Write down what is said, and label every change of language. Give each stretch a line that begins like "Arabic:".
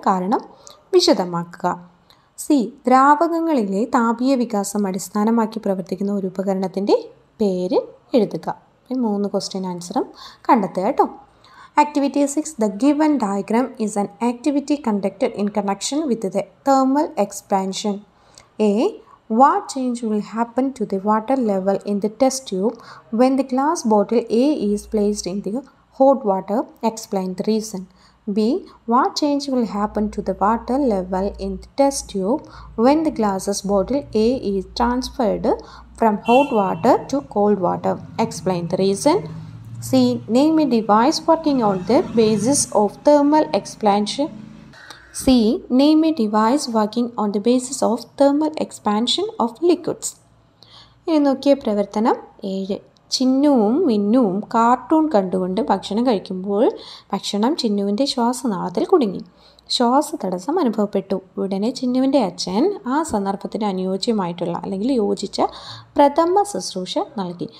Malayalam: കാരണം വിശദമാക്കുക. സി, ദ്രാവകങ്ങളിലെ താപീയ വികാസം അടിസ്ഥാനമാക്കി പ്രവർത്തിക്കുന്ന ഒരു ഉപകരണത്തിൻ്റെ പേര് എഴുതുക. ഈ മൂന്ന് ക്വസ്റ്റ്യൻ ആൻസറും കണ്ടെത്തുക കേട്ടോ.
English: Activity 6, the given diagram is an activity conducted in connection with the thermal expansion. A, What change will happen to the water level in the test tube when the glass bottle A is placed in the hot water? Explain the reason. B, what change will happen to the water level in the test tube when the glass bottle A is transferred from hot water to cold water? Explain the reason. C, name a device working on the basis of thermal expansion. C. Name a device working on the basis of thermal expansion of liquids.
Malayalam: ഇനി നോക്കിയ പ്രവർത്തനം 7. ചിന്നുവും മിന്നുവും cartoon കണ്ടുകൊണ്ട് ഭക്ഷണം കഴിക്കുമ്പോൾ ഭക്ഷണം ചിന്നുവിൻ്റെ ശ്വാസനാളത്തിൽ കുടുങ്ങി, ശ്വാസ തടസ്സം അനുഭവപ്പെട്ടു. ഉടനെ ചിന്നുവിൻ്റെ അച്ഛൻ ആ സന്ദർഭത്തിന് അനുയോജ്യമായിട്ടുള്ള അല്ലെങ്കിൽ യോജിച്ച പ്രഥമ ശുശ്രൂഷ നൽകി.